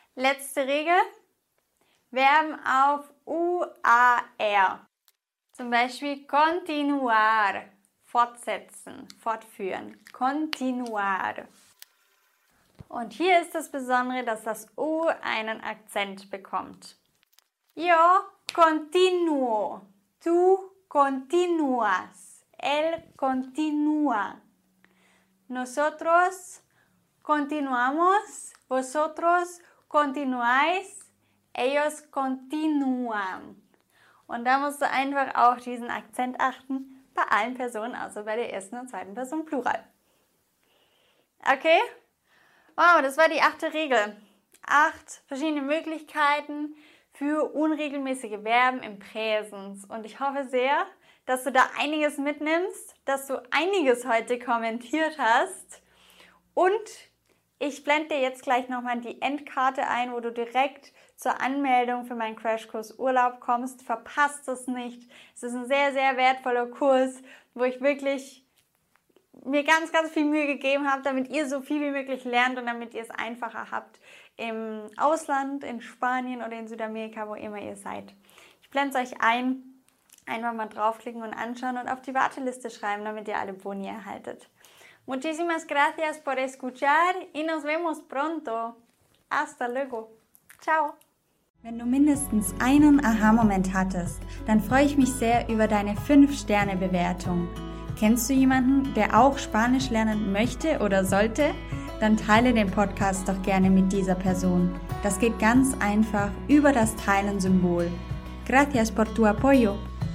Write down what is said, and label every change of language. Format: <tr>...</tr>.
<de>Letzte Regel. Verben auf UAR. Zum Beispiel continuar, fortsetzen, fortführen, continuar. Und hier ist das Besondere, dass das U einen Akzent bekommt.</de> <es>Yo continuo, tú continúas, él continúa. Nosotros continuamos, vosotros continuáis, ellos continúan.</es> <de>Und da musst du einfach auch diesen Akzent achten, bei allen Personen, also bei der ersten und zweiten Person Plural. Okay? Wow, das war die achte Regel. 8 verschiedene Möglichkeiten für unregelmäßige Verben im Präsens. Und ich hoffe sehr, dass du da einiges mitnimmst, dass du einiges heute kommentiert hast. Und ich blende dir jetzt gleich nochmal die Endkarte ein, wo du direkt zur Anmeldung für meinen Crashkurs Urlaub kommst. Verpasst es nicht. Es ist ein sehr, sehr wertvoller Kurs, wo ich wirklich mir ganz, ganz viel Mühe gegeben habe, damit ihr so viel wie möglich lernt und damit ihr es einfacher habt im Ausland, in Spanien oder in Südamerika, wo immer ihr seid. Ich blende es euch ein. Einfach mal draufklicken und anschauen und auf die Warteliste schreiben, damit ihr alle Boni erhaltet.</de> <es>Muchísimas gracias por escuchar y nos vemos pronto. Hasta luego. Ciao.</es> <de>Wenn du mindestens einen Aha-Moment hattest, dann freue ich mich sehr über deine 5-Sterne-Bewertung. Kennst du jemanden, der auch Spanisch lernen möchte oder sollte? Dann teile den Podcast doch gerne mit dieser Person. Das geht ganz einfach über das Teilen-Symbol.</de> <es>Gracias por tu apoyo.</es>